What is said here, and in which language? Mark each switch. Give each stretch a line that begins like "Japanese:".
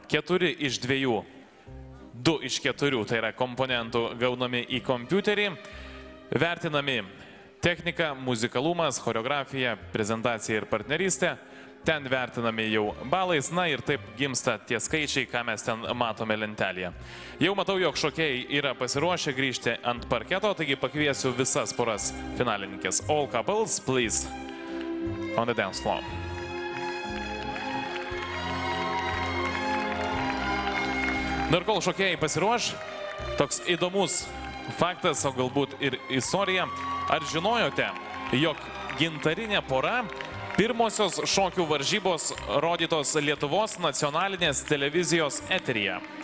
Lithuanian: 4 iš 2, 2 iš 4, tai yra komponentų gaunami į kompiuterį, vertinami technika, muzikalumas, choreografija, prezentacija ir partnerystė. Ten vertinami jau balais, na ir taip gimsta tie skaičiai, ką mes ten matome lentelėje. Jau matau, jog šokėjai yra pasiruošę grįžti ant parketo, taigi pakviesiu visas poras finalininkės.
English: All couples, please, on the dance floor.
Lithuanian: Na ir kol šokėjai pasiruoš, toks įdomus faktas, o galbūt ir istorija. Ar žinojote, jog gintarinė pora... Pirmosios šokių varžybos rodytos Lietuvos nacionalinės televizijos eteryje.